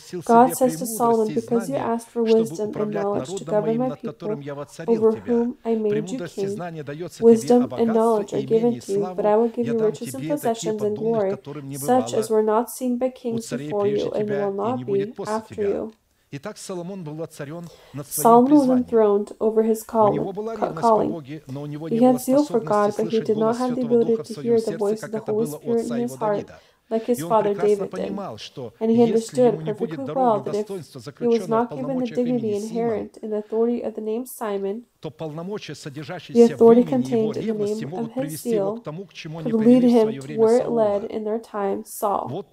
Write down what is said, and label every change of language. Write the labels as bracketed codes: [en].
[en] God says to Solomon, because you asked for wisdom and knowledge to govern my people, over whom I made you king, wisdom and knowledge are given to you, but I will give you riches and possessions and glory, such as were not seen by kings before you, and will not be after you. [ru] Итак, Соломон был воцарен над своим призванием. У него была ревность по Боге, но у него не было способности слышать голос Святого Духа в своем сердце, как это было у отца его Давида. [en] Like his father David did. And he understood perfectly well that if he was not given the dignity inherent in the authority of the name Simon, the authority contained in the name of his seal could lead him to where it led in their time, Saul.